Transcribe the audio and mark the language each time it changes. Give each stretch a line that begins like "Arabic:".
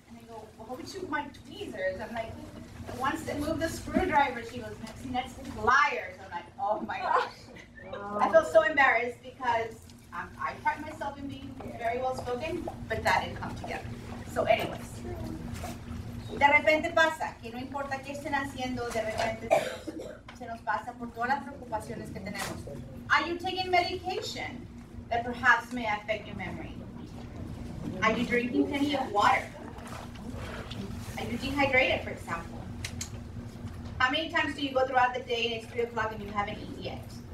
English: And they go, well, how would you want tweezers? I'm like, the ones that move the screwdriver. She goes, Maxine, that's the pliers. I'm like, oh my gosh. I felt so embarrassed because I pride myself in being very well spoken, but that didn't come together. So anyways.
Spanish: De repente pasa, que no importa qué estén haciendo, de repente se nos pasa por todas las preocupaciones que tenemos.
English: Are you taking medication that perhaps may affect your memory? Are you drinking plenty of water? Are you dehydrated, for example? How many times do you go throughout the day and it's 3 o'clock and you haven't eaten yet?